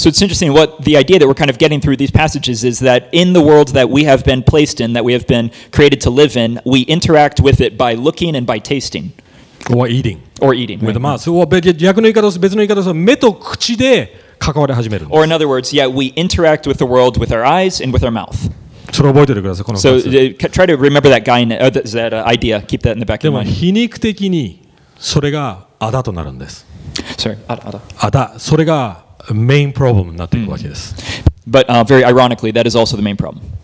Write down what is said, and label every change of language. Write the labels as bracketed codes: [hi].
[en] So it's interesting what the idea that we're kind of getting through these passages is that in the world that we have been placed in, that we have been created to live in, we interact with it by looking and by tasting. Or eating. With the mouth. [ja] 逆の言い方です。別の言い方です。目と口で関わり始めるんです。 [en] Or in other words, yeah, we interact with the world with our eyes and with our mouth. [ja] それを覚えててください、この2つ。 [en] So try to remember that guy, that idea. Keep that in the back of your mind. [ja] でも皮肉的にそれがあだとなるんです。 [en] Sorry, Ada. [ja] それがメインプロブレムになっていくわけです。 [en] But very ironically, that is also the main problem.